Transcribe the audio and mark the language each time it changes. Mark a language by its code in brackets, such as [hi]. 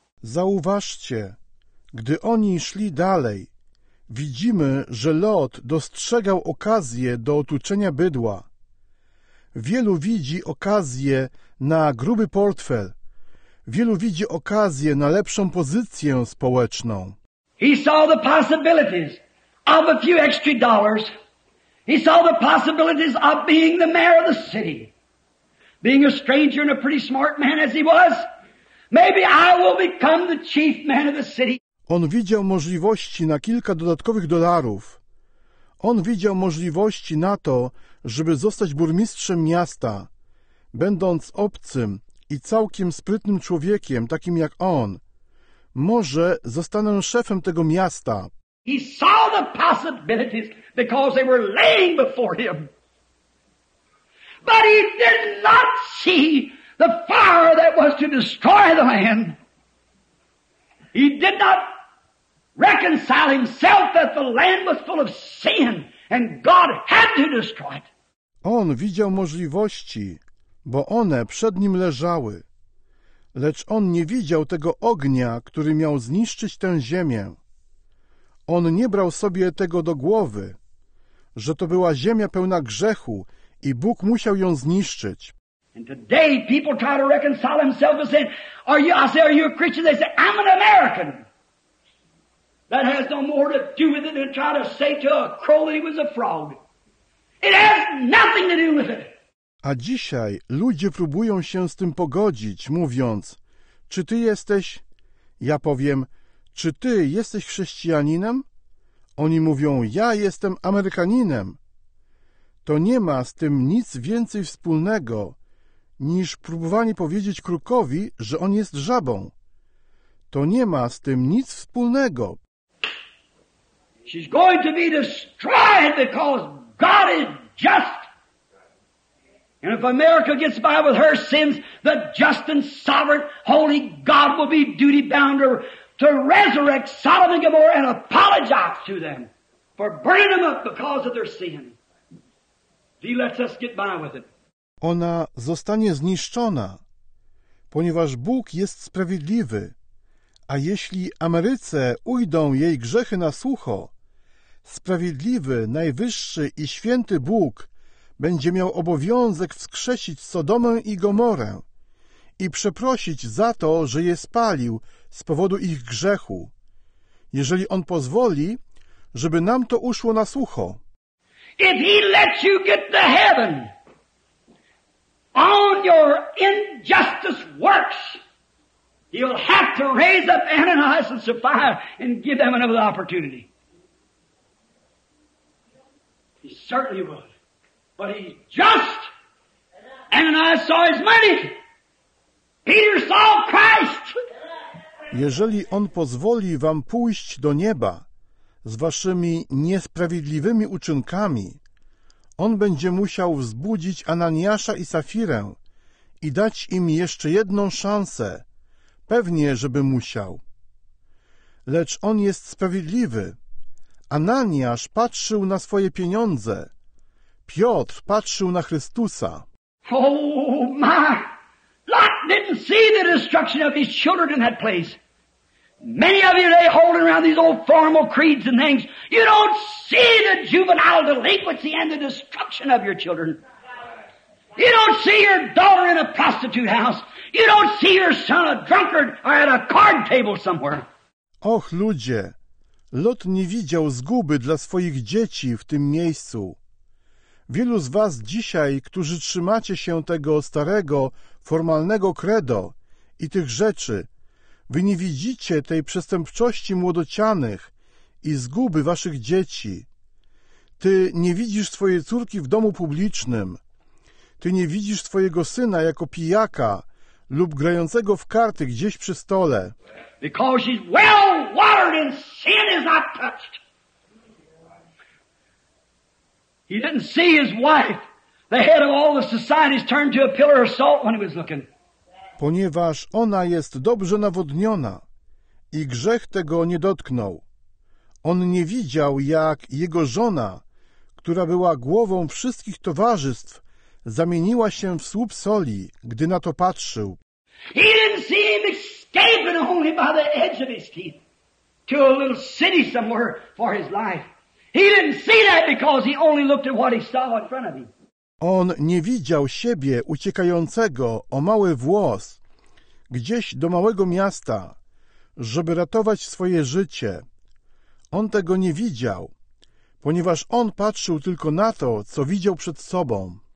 [pl] Zauważcie, gdy oni szli dalej, widzimy, że Lot dostrzegał okazję do otuczenia bydła. Wielu widzi okazję na gruby portfel. Wielu widzi okazję na lepszą pozycję społeczną. [en] He saw the possibilities of a few extra dollars. He saw the possibilities of being the mayor of the city. Being a stranger and a pretty smart man as he was, maybe I will become the chief man of the city. [pl] On widział możliwości na kilka dodatkowych dolarów. On widział możliwości na to, żeby zostać burmistrzem miasta, będąc obcym i całkiem sprytnym człowiekiem, takim jak on. Może zostanę szefem tego miasta. [en] He saw the possibilities because they were laying before him. But he did not see the fire that was to destroy the man. He did not reconcile himself that the land was full of sin and God had to destroy it. [pl] On widział możliwości, bo one przed nim leżały. Lecz on nie widział tego ognia, który miał zniszczyć tę ziemię. On nie brał sobie tego do głowy, że to była ziemia pełna grzechu i Bóg musiał ją zniszczyć. [en] And today people try to reconcile themselves and say, are you a Christian? They say, I'm an American. That has no more to do with it than try to say to a crow that he was a frog. It has nothing to do with it. [pl] A dzisiaj ludzie próbują się z tym pogodzić, mówiąc, czy ty jesteś? Ja powiem, czy ty jesteś chrześcijaninem? Oni mówią, ja jestem Amerykaninem. To nie ma z tym nic więcej wspólnego, niż próbowanie powiedzieć krukowi, że on jest żabą. To nie ma z tym nic wspólnego. [en] She's going to be destroyed because God is just. And if America gets by with her sins, the just and sovereign, holy God will be duty-bound to resurrect Sodom and Gomorrah and apologize to them for burning them up because of their sin. He lets us get by with it. [pl] Ona zostanie zniszczona, ponieważ Bóg jest sprawiedliwy, a jeśli Ameryce ujdą jej grzechy na sucho, sprawiedliwy, najwyższy i święty Bóg będzie miał obowiązek wskrzesić Sodomę i Gomorę i przeprosić za to, że je spalił z powodu ich grzechu, jeżeli On pozwoli, żeby nam to uszło na sucho. [en] If He lets you get to heaven on your injustice works, He'll have to raise up Ananias and Sapphira and give them another opportunity. He certainly will. But He's just. Ananias saw His money. Peter saw Christ. [pl] Jeżeli On pozwoli wam pójść do nieba z waszymi niesprawiedliwymi uczynkami, On będzie musiał wzbudzić Ananiasza i Safirę i dać im jeszcze jedną szansę, pewnie, żeby musiał. Lecz On jest sprawiedliwy. Ananiasz patrzył na swoje pieniądze. Piotr patrzył na Chrystusa. [en] Oh, my! Lot didn't see the destruction of his children in that place. Many of you lay holding around these old formal creeds and things. You don't see the juvenile delinquency and the destruction of your children. You don't see your daughter in a prostitute house. You don't see your son a drunkard or at a card table somewhere. [pl] Och, ludzie, Lot nie widział zguby dla swoich dzieci w tym miejscu. Wielu z was dzisiaj, którzy trzymacie się tego starego, formalnego credo i tych rzeczy, wy nie widzicie tej przestępczości młodocianych i zguby waszych dzieci. Ty nie widzisz swojej córki w domu publicznym. Ty nie widzisz twojego syna jako pijaka lub grającego w karty gdzieś przy stole. [en] Because he's well watered and sin is not touched. He didn't see his wife, the head of all the societies, turned to a pillar of salt when he was looking. [pl] Ponieważ ona jest dobrze nawodniona i grzech tego nie dotknął. On nie widział, jak jego żona, która była głową wszystkich towarzystw, zamieniła się w słup soli, gdy na to patrzył. [en] He didn't see him escaping only by the edge of his teeth to a little city somewhere for his life. He didn't see that because he only looked at what he saw in front of him. [pl] On nie widział siebie uciekającego o mały włos gdzieś do małego miasta, żeby ratować swoje życie. On tego nie widział, ponieważ on patrzył tylko na to, co widział przed sobą.